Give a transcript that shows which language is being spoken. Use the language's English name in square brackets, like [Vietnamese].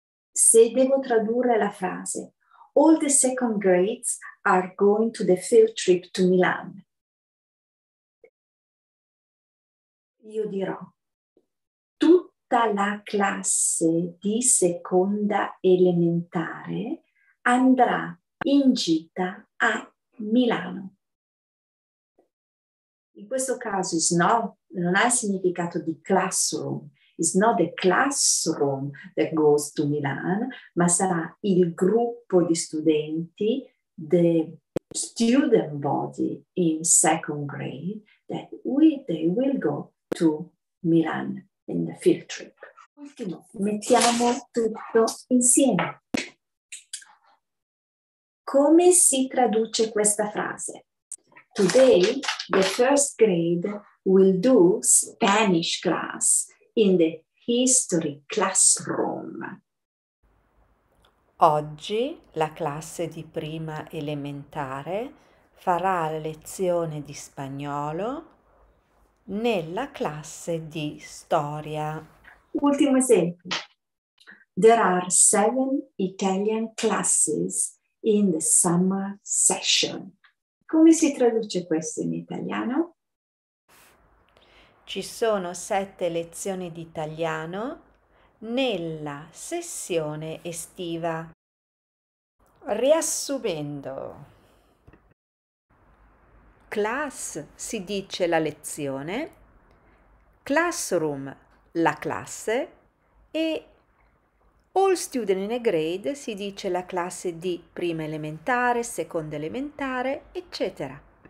[Italian] Se devo tradurre la frase, [English] All the second grades are going to the field trip to Milan. [Italian] Io dirò, tutta la classe di seconda elementare andrà in gita a Milano. In questo caso non ha il significato di classroom. [English] It's not the classroom that goes to Milan, [Italian] ma sarà il gruppo di studenti, [English] the student body in second grade, that they will go to Milan in the field trip. [Italian] Ultimo, mettiamo tutto insieme. Come si traduce questa frase? [English] Today, the first grade will do Spanish class in the History Classroom. [Italian] Oggi la classe di prima elementare farà lezione di spagnolo nella classe di storia. Ultimo esempio. [English] There are seven Italian classes in the summer session. [Italian] Come si traduce questo in italiano? Ci sono sette lezioni di italiano nella sessione estiva. Riassumendo, class si dice la lezione, classroom la classe e [English] all student in a grade [Italian] si dice la classe di prima elementare, seconda elementare, eccetera.